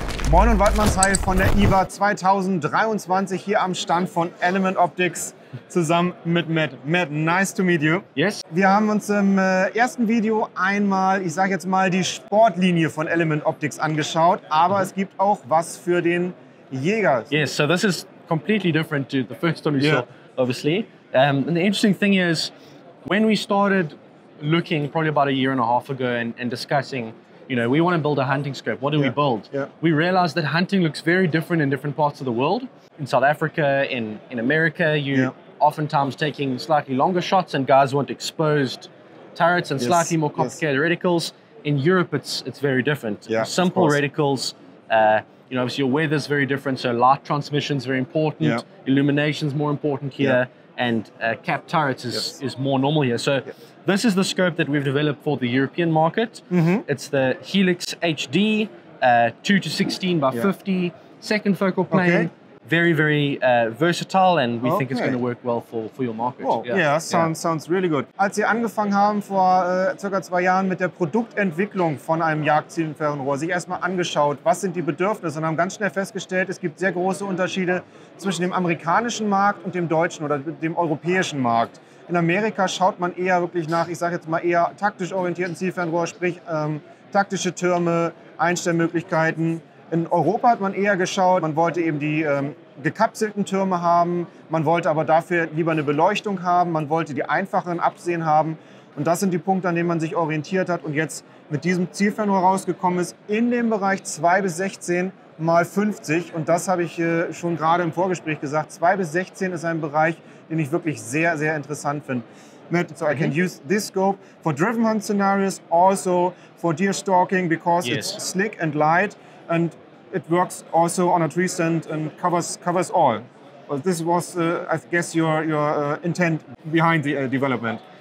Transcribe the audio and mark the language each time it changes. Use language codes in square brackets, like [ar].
[de] Moin und Waldmannsheil von der IWA 2023 hier am Stand von Element Optics zusammen mit Matt. [en] Matt, nice to meet you. Yes. [de] Wir haben uns im ersten Video einmal, ich sag jetzt mal, die Sportlinie von Element Optics angeschaut, aber es gibt auch was für den Jäger. [en] Yes, so this is completely different to the first one we saw, obviously. And the interesting thing is, when we started looking probably about a year and a half ago and discussing, you know, we want to build a hunting scope. What do we build? Yeah. We realized that hunting looks very different in different parts of the world. In South Africa, in America, you're oftentimes taking slightly longer shots and guys want exposed turrets and slightly more complicated reticles. In Europe, it's very different. Yeah, simple reticles, you know, obviously your weather's very different, so light transmission is very important. Yeah. Illumination's more important here. Yeah. And cap turrets is more normal here. So this is the scope that we've developed for the European market. Mm-hmm. It's the HELIX HD, 2-16x50, second focal plane. Okay. Very, very versatile, and we think it's going to work well for your market. Sounds really good. [de] Als Sie angefangen haben vor circa zwei Jahren mit der Produktentwicklung von einem Jagdzielfernrohr, sich erstmal angeschaut, was sind die Bedürfnisse, und haben ganz schnell festgestellt, es gibt sehr große Unterschiede zwischen dem amerikanischen Markt und dem deutschen oder dem europäischen Markt. In Amerika schaut man eher wirklich nach, ich sage jetzt mal, eher taktisch orientierten Zielfernrohr, sprich taktische Türme, Einstellmöglichkeiten. In Europa hat man eher geschaut, man wollte eben die gekapselten Türme haben, man wollte aber dafür lieber eine Beleuchtung haben, man wollte die einfacheren Absehen haben. Und das sind die Punkte, an denen man sich orientiert hat und jetzt mit diesem Zielfernrohr rausgekommen ist, in dem Bereich 2-16x50. Und das habe ich schon gerade im Vorgespräch gesagt. 2-16 ist ein Bereich, den ich wirklich sehr, sehr interessant finde. [en] So I can use this scope for driven hunt scenarios, also for deer stalking, because it's slick and light. And it works also on a tree stand and covers all. Well, this was, I guess, your intent behind the development.